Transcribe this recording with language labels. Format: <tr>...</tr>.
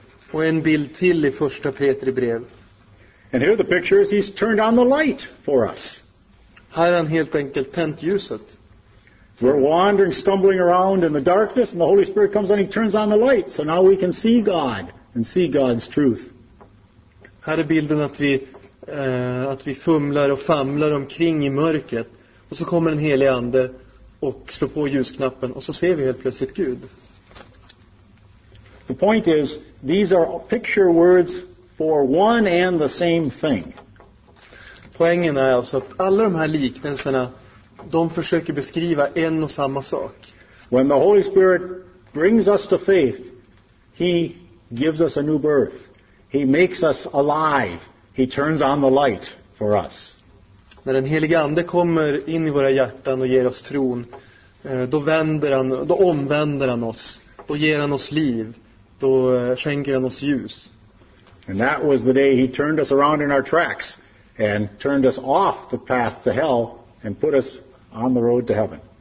<sv>Och en bild till i första Petri brev.</sv> <en>And here the picture is he's turned on the light for us.</en> <sv>Här har han helt enkelt tänt ljuset.</sv> <en>We're wandering, stumbling around in the darkness and the Holy Spirit comes and he turns on the light so now we can see God. And see God's truth.</en> <sv>Här är bilden att vi fumlar och famlar omkring i mörkret. Och så kommer en helig ande och slår på ljusknappen. Och så ser vi helt plötsligt Gud.</sv> <en>The point is, these are picture words for one and the same thing.</en> <sv>Poängen är alltså att alla de här liknelserna, de försöker beskriva en och samma sak.</sv> <en>When the Holy Spirit brings us to faith, he gives us a new birth. He makes us alive. He turns on the light for us.</en> <sv>När den helige ande kommer in i våra hjärtan och ger oss tron, då omvänder han oss, då ger han oss liv, då skänker han oss ljus.</sv> <en>And that was the day he turned us around in our tracks and turned us off the path to hell and put us on the road to heaven.</en>